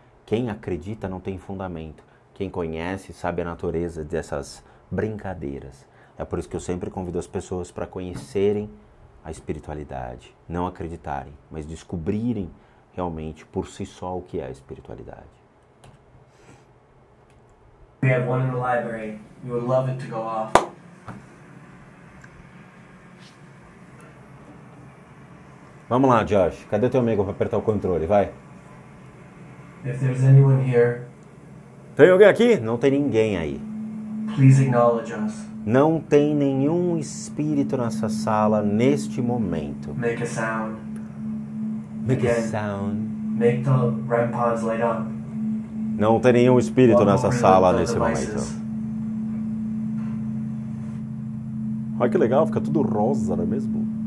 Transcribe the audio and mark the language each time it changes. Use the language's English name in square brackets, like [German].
[Portuguese] Quem acredita não tem fundamento. Quem conhece sabe a natureza dessas brincadeiras. É por isso que eu sempre convido as pessoas para conhecerem a espiritualidade. Não acreditarem, mas descobrirem realmente por si só o que é a espiritualidade. [English] We have one in the library. You would love it to go off. [Portuguese] Vamos lá, Josh. Cadê teu amigo pra apertar o controle? Vai. [English] If there's anyone here, [Portuguese] tem alguém aqui? Não tem ninguém aí. [English] Please acknowledge us. [Portuguese] Não tem nenhum espírito nessa sala neste momento. [English] Make a sound. Make a sound. Make the REM pods light up. [Portuguese] Não tem nenhum espírito nessa sala nesse momento. Olha que legal, fica tudo rosa, não é mesmo?